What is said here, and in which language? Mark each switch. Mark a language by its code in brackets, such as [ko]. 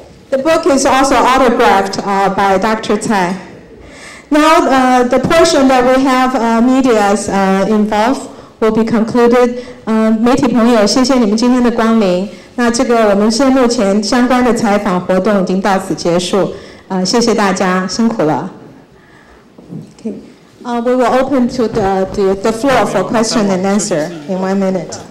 [en] The book is also autographed by Dr. Tsai. Now, the portion that we have media's involved, will be concluded. [zh] 媒体朋友，谢谢你们今天的光临。那这个我们现在目前相关的采访活动已经到此结束。谢谢大家，辛苦了。Okay. [en] We will open to the floor for question and answer in 1 minute.